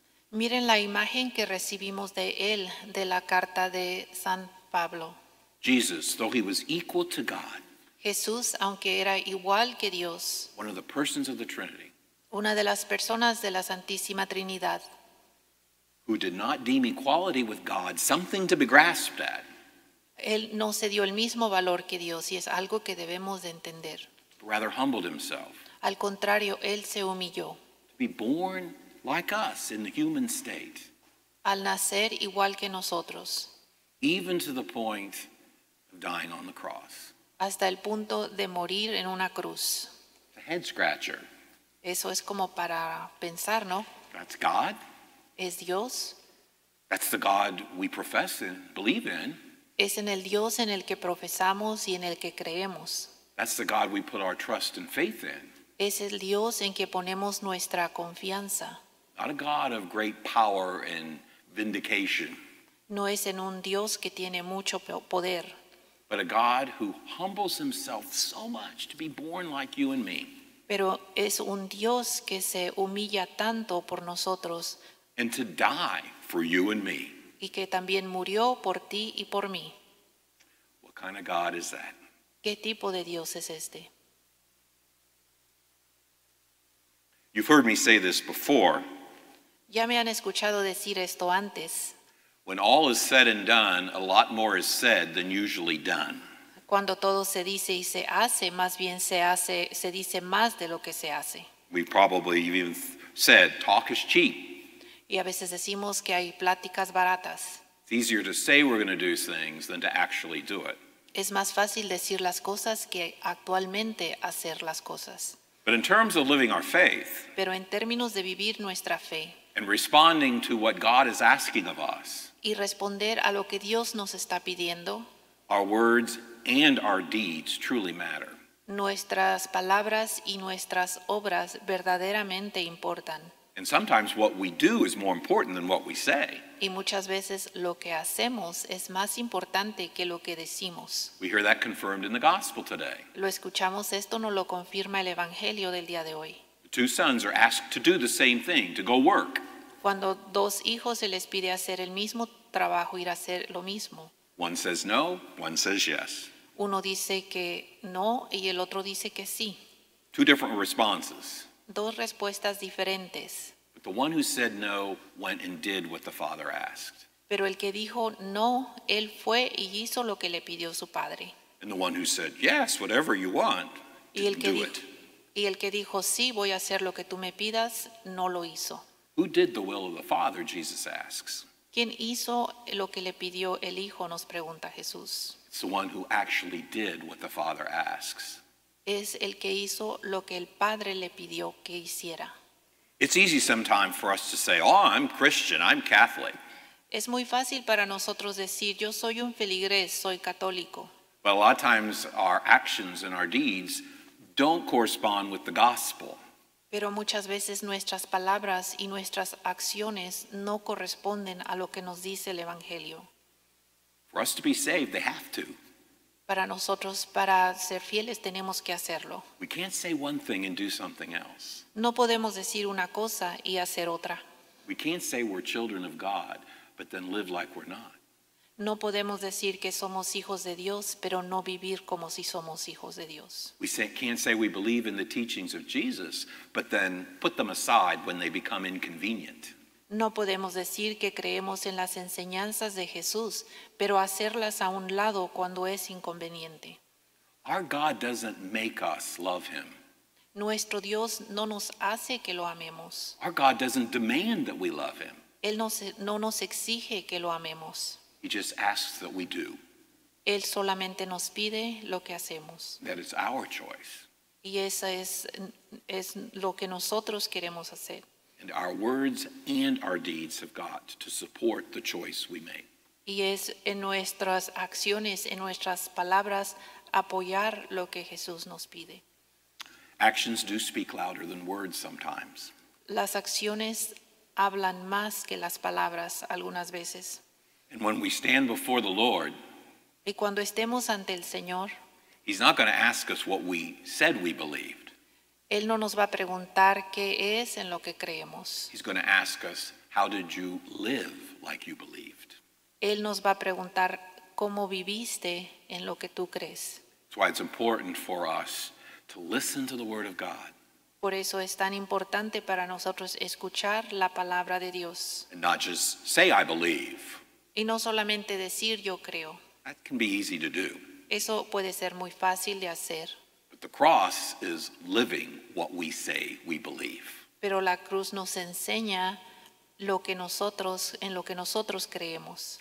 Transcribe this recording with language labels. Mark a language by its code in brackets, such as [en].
[es] Miren la imagen que recibimos de él de la carta de San Pablo. [en] Jesus, though he was equal to God. [es] Jesús, aunque era igual que Dios. [en] One of the persons of the Trinity. [es] Una de las personas de la Santísima Trinidad. [en] Who did not deem equality with God something to be grasped at. [es] Él no se dio el mismo valor que Dios y es algo que debemos de entender. [en] Rather humbled himself. [es] Al contrario, él se humilló. [en] To be born like us in the human state. [es] Al nacer igual que nosotros. [en] Even to the point of dying on the cross. [es] Hasta el punto de morir en una cruz. [en] A head scratcher. [es] Eso es como para pensar, ¿no? [en] That's God. [es] Es Dios. [en] That's the God we profess and believe in. [es] Es en el Dios en el que profesamos y en el que creemos. [en] That's the God we put our trust and faith in. [es] Es el Dios en que ponemos nuestra confianza. [en] Not a God of great power and vindication. [es] No es en un Dios que tiene mucho poder. [en] But a God who humbles himself so much to be born like you and me. [es] Pero es un Dios que se humilla tanto por nosotros. [en] And to die for you and me. [es] Y que también murió por ti y por mí. [en] What kind of God is that? [es] ¿Qué tipo de Dios es este? [en] You've heard me say this before. [es] Ya me han escuchado decir esto antes. [en] When all is said and done, a lot more is said than usually done. [es] Cuando todo se dice y se hace, más bien se hace, se dice más de lo que se hace. [en] We probably even said, talk is cheap. [es] Y a veces decimos que hay pláticas baratas. [en] It's easier to say we're going to do things than to actually do it. [es] Es más fácil decir las cosas que actualmente hacer las cosas. [en] But in terms of living our faith, [es] pero en términos de vivir nuestra fe, [en] and responding to what God is asking of us. [es] Y responder a lo que Dios nos está pidiendo. [en] Our words and our deeds truly matter. [es] Nuestras palabras y nuestras obras verdaderamente importan. [en] And sometimes what we do is more important than what we say. [es] Y muchas veces lo que hacemos es más importante que lo que decimos. [en] We hear that confirmed in the gospel today. [es] Lo escuchamos, esto nos lo confirma el evangelio del día de hoy. [en] Two sons are asked to do the same thing, to go work. [es] Cuando dos hijos se les pide hacer el mismo trabajo, ir a hacer lo mismo. [en] One says no, one says yes. [es] Uno dice que no y el otro dice que sí. [en] Two different responses. [es] Dos respuestas diferentes. [en] But the one who said no went and did what the father asked. [es] Pero el que dijo no, él fue y hizo lo que le pidió su padre. [en] And the one who said yes, whatever you want, didn't do it. [es] Y el que dijo, sí, voy a hacer lo que tú me pidas, no lo hizo. [en] Who did the will of the Father, Jesus asks. [es] ¿Quién hizo lo que le pidió el Hijo, nos pregunta Jesús? [en] It's the one who actually did what the Father asks. [es] Es el que hizo lo que el Padre le pidió que hiciera. [en] It's easy sometimes for us to say, oh, I'm Christian, I'm Catholic. [es] Es muy fácil para nosotros decir, yo soy un feligrés, soy católico. [en] But a lot of times our actions and our deeds don't correspond with the gospel. [es] Pero muchas veces nuestras palabras y nuestras acciones no corresponden a lo que nos dice el Evangelio. [en] For us to be saved, they have to. [es] Para nosotros, para ser fieles, tenemos que hacerlo. [en] We can't say one thing and do something else. [es] No podemos decir una cosa y hacer otra. [en] We can't say we're children of God, but then live like we're not. [es] No podemos decir que somos hijos de Dios, pero no vivir como si somos hijos de Dios. [en] We can't say we believe in the teachings of Jesus, but then put them aside when they become inconvenient. [es] No podemos decir que creemos en las enseñanzas de Jesús, pero hacerlas a un lado cuando es inconveniente. [en] Our God doesn't make us love him. [es] Nuestro Dios no nos hace que lo amemos. [en] Our God doesn't demand that we love him. [es] Él no nos exige que lo amemos. [en] He just asks that we do. [es] Él solamente nos pide lo que hacemos. [en] That is our choice. [es] Y esa es lo que nosotros queremos hacer. [en] And our words and our deeds have got to support the choice we make. [es] Y es en nuestras acciones, en nuestras palabras, apoyar lo que Jesús nos pide. [en] Actions do speak louder than words sometimes. [es] Las acciones hablan más que las palabras algunas veces. [en] And when we stand before the Lord, [es] y cuando estemos ante el Señor, [en] he's not going to ask us what we said we believed. [es] Él no nos va a preguntar qué es en lo que creemos. [en] He's going to ask us, how did you live like you believed? [es] Él nos va a preguntar cómo viviste en lo que tú crees. [en] That's why it's important for us to listen to the word of God. [es] Por eso es tan importante para nosotros escuchar la palabra de Dios. [en] And not just say I believe. [es] Y no solamente decir yo creo. [en] That can be easy to do. [es] Eso puede ser muy fácil de hacer. [en] The cross is living what we say we believe. [es] Pero la cruz nos enseña lo que nosotros, en lo que nosotros creemos.